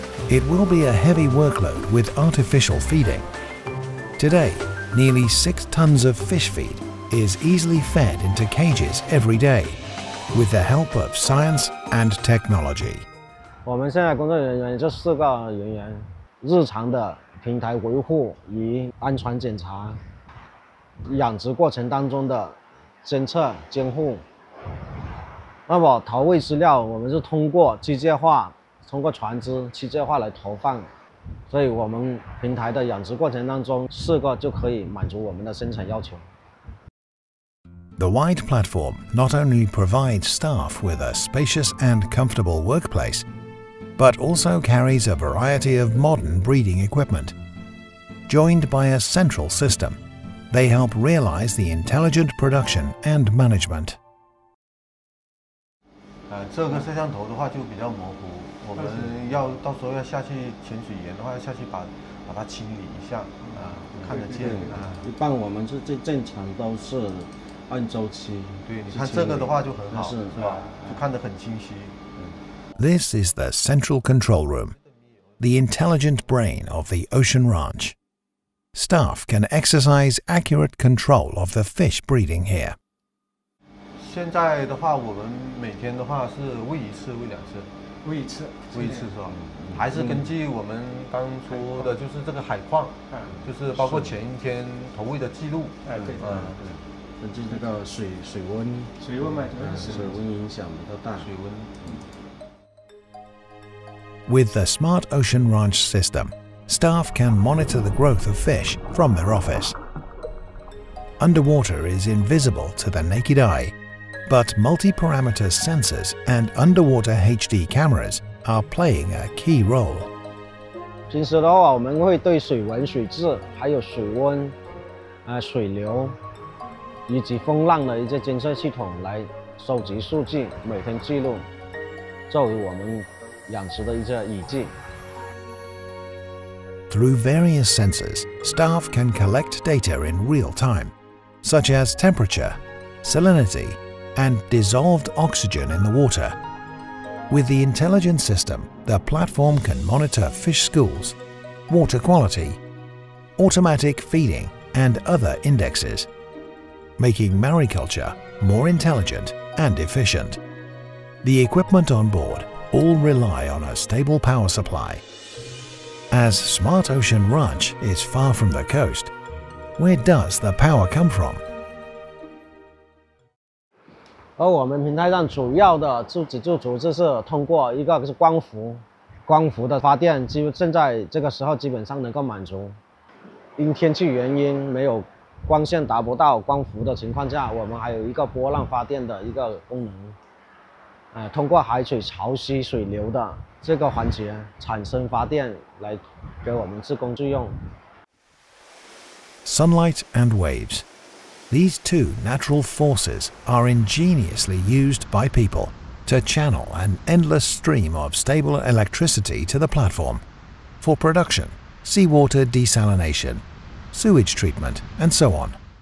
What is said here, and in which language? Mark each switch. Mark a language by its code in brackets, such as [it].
[en] It will be a heavy workload with artificial feeding. Today, nearly 6 tons of fish feed is easily fed into cages every day with the help of science and technology. We are now working with these 4 workers, daily maintenance, safety checks, [zh] 养殖过程当中的监测监护。那么投喂饲料我们是通过机械化，通过船只机械化来投放，所以我们平台的养殖过程当中四个就可以满足我们的生产要求。 [en] The wide platform not only provides staff with a spacious and comfortable workplace, but also carries a variety of modern breeding equipment joined by a central systemThey help realize the intelligent production and management. [zh] 这个摄像头的话就比较模糊，我们要到时候要下去潜水员的话要下去把它清理一下，看得见。一般我们是最正常都是按周期。对，你看这个的话就很好，是吧？就看得很清晰。 [en] This is the central control room, the intelligent brain of the Ocean Ranch. Staff can exercise accurate control of the fish breeding here. [zh] 现在的话，我们每天的话是喂一次，喂两次。喂一次。喂一次是吧？还是根据我们当初的，就是这个海况，就是包括前一天投喂的记录。哎，对。根据这个水温。水温嘛，主要是水温影响比较大。水温。 [en] With the smart ocean ranch system. Staff can monitor the growth of fish from their office. Underwater is invisible to the naked eye, but multi-parameter sensors and underwater HD cameras are playing a key role. [zh] 平时的话，我们会对水文、水质、还有水温、水流以及风浪的一些监测系统来收集数据，每天记录，作为我们养殖的一些依据。 [en] Through various sensors, staff can collect data in real time, such as temperature, salinity, and dissolved oxygen in the water. With the intelligent system, the platform can monitor fish schools, water quality, automatic feeding, and other indexes, making mariculture more intelligent and efficient. The equipment on board all rely on a stable power supply. As Smart Ocean Ranch is far from the coast, where does the power come from? [zh] 而我们平台上主要的自给自足就是通过一个是光伏的发电，就现在这个时候基本上能够满足。因天气原因，没有光线达不到光伏的情况下，我们还有一个波浪发电的一个功能。通过海水潮汐水流的这个环节产生发电来给我们自供自用。 [en] Sunlight and waves. These two natural forces are ingeniously used by people to channel an endless stream of stable electricity to the platform for production, seawater desalination, sewage treatment, and so on.